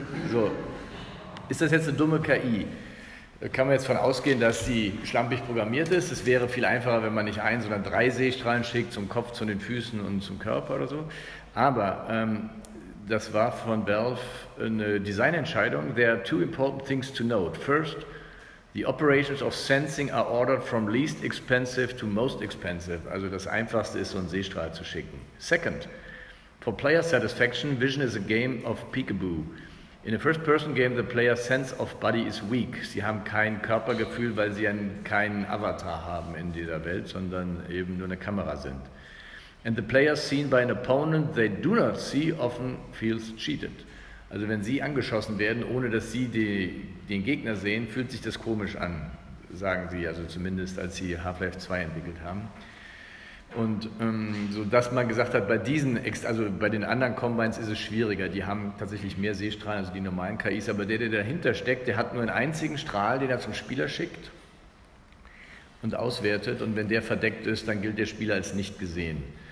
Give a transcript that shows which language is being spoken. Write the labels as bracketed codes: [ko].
[de] So, ist das jetzt eine dumme KI? Da kann man jetzt davon ausgehen, dass sie schlampig programmiert ist. Es wäre viel einfacher, wenn man nicht ein, sondern drei Sehstrahlen schickt, zum Kopf, zu den Füßen und zum Körper oder so. Aber das war von Valve eine Designentscheidung. [en] There are two important things to note. First, the operations of sensing are ordered from least expensive to most expensive. [de] Also das Einfachste ist, so einen Sehstrahl zu schicken. [en] Second, for player satisfaction, vision is a game of peekaboo. In a first-person game, the player's sense of body is weak. [de] Sie haben kein Körpergefühl, weil sie keinen Avatar haben in dieser Welt, sondern eben nur eine Kamera sind. [en] And the player seen by an opponent they do not see often feels cheated. [de] Also wenn sie angeschossen werden, ohne dass sie den Gegner sehen, fühlt sich das komisch an, sagen sie, also zumindest als sie Half-Life 2 entwickelt haben. Und so dass man gesagt hat, bei diesen, also bei den anderen Combines ist es schwieriger, die haben tatsächlich mehr Sehstrahlen, also die normalen KIs, aber der dahinter steckt, der hat nur einen einzigen Strahl, den er zum Spieler schickt und auswertet, und wenn der verdeckt ist, dann gilt der Spieler als nicht gesehen.